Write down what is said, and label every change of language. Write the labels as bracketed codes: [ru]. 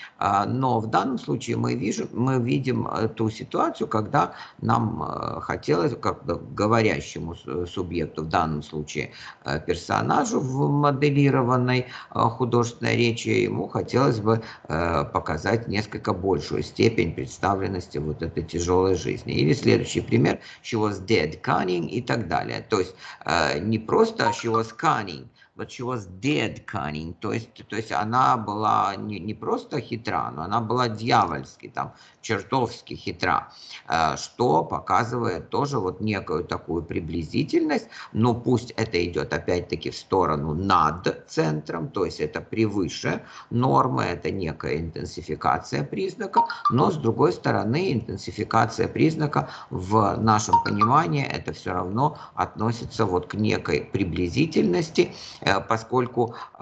[ru] Но в данном случае мы видим ту ситуацию, когда нам хотелось как бы говорящему субъекту, в данном случае персонажу в моделированной художественной речи, ему хотелось бы показать несколько большую степень представленности вот этой тяжелой жизни. Или следующий пример, [en] she was dead cunning [ru] и так далее. То есть не просто [en] she was cunning, but she was dead cunning. [ru] То есть она была не просто хитра, но она была дьявольски, там, чертовски хитра, что показывает тоже вот некую такую приблизительность, но пусть это идет опять-таки в сторону над центром, то есть это превыше нормы, это некая интенсификация признака, но с другой стороны интенсификация признака в нашем понимании это все равно относится вот к некой приблизительности, поскольку